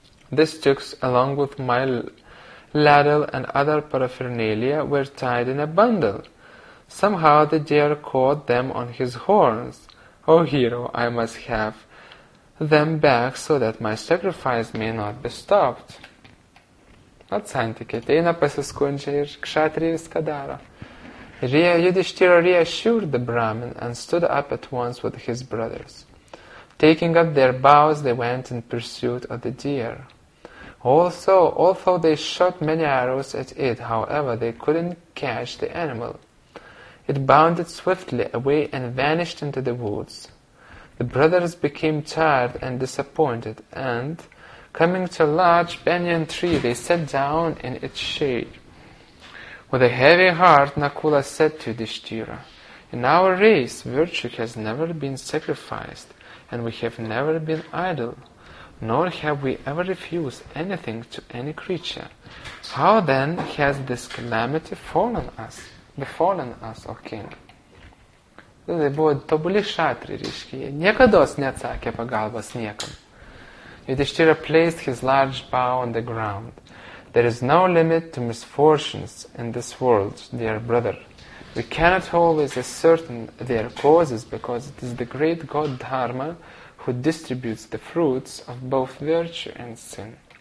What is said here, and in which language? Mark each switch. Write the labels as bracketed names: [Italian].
[English] These sticks, along with my ladle and other paraphernalia, were tied in a bundle. Somehow the deer caught them on his horns. Oh, hero, I must have them back so that my sacrifice may not be stopped. [Lithuanian] At santykiai, ateina pasiskundžia ir kšatri viską daro. [English] Yudhishthira reassured the Brahmin and stood up at once with his brothers. Taking up their bows, they went in pursuit of the deer. Although they shot many arrows at it, however, they couldn't catch the animal. It bounded swiftly away and vanished into the woods. The brothers became tired and disappointed, and, coming to a large banyan tree, they sat down in its shade. With a heavy heart, Nakula said to Yudhishthira, In our race, virtue has never been sacrificed, and we have never been idle. Nor have we ever refused anything to any creature. How then has this calamity befallen us, O King? [Lithuanian] Tai buvo tobuli šatri, reiškia. Niekados neatsakė pagalbos niekam. [English] Yudhishthira placed his large bow on the ground. There is no limit to misfortunes in this world, dear brother. We cannot always ascertain their causes because it is the great god Dharma who distributes the fruits of both virtue and sin.